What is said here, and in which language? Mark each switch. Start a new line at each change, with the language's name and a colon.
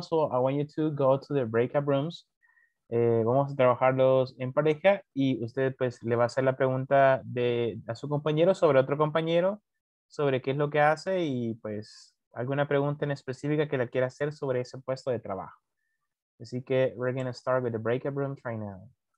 English: So I want you to go to the breakout rooms.
Spanish: Vamos a trabajarlos en pareja y usted pues le va a hacer la pregunta de a su compañero sobre otro compañero, sobre qué es lo que hace y pues alguna pregunta en específica que le quiera hacer sobre ese puesto de trabajo. Así que
English: we're going to start with the breakout rooms right now.